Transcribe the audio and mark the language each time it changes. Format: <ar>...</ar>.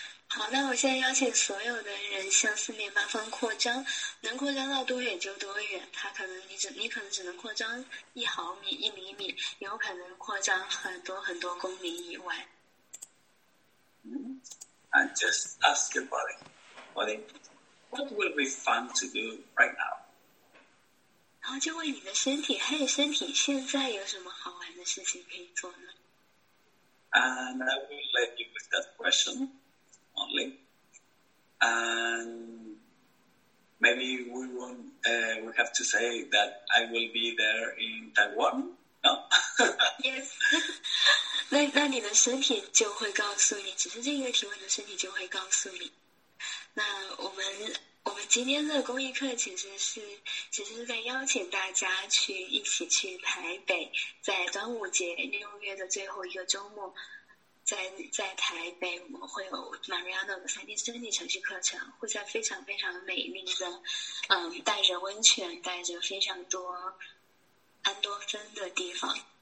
<zh>好，那我现在邀请所有的人向4面8方扩张，能扩张到多远就多远。你可能只能扩张1毫米、1厘米，有可能扩张很多很多公里以外。</zh> <en>And just ask your body, body, what will be fun to do right now?</en> <zh>然后就问你的身体，嘿，身体，现在有什么好玩的事情可以做呢？</zh> <en>And I will leave you with that question only. And maybe we have to say that I will be there in Taiwan. No.</en> <zh>Yes，那你的身体就会告诉你，只是这个提问的身体就会告诉你。那我们今天的公益课其实是在邀请大家去一起去台北，在端午节6月的最后一个周末，在台北我们会有 Mariano 的3D 身体程序课程，会在非常非常美丽的，带着温泉，带着非常多安多芬的地方。</zh>